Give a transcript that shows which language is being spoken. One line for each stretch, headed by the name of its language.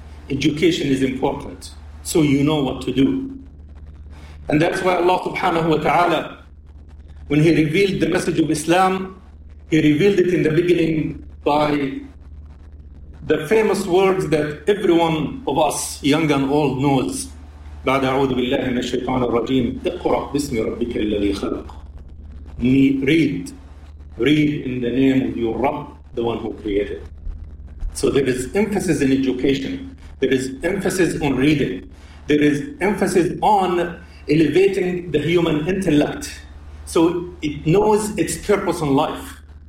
English: Education is important, so you know what to do. And that's why Allah subhanahu wa ta'ala, when He revealed the message of Islam, He revealed it in the beginning by the famous words that everyone of us, young and old, knows.
Arabic: بعد أعوذ بالله من الشيطان الرجيم اقرأ باسم ربك الذي خلق.
English: Read in the name of your Rabb, the one who created. So there is emphasis in education. There is emphasis on reading. There is emphasis on elevating the human intellect, so it knows its purpose in life.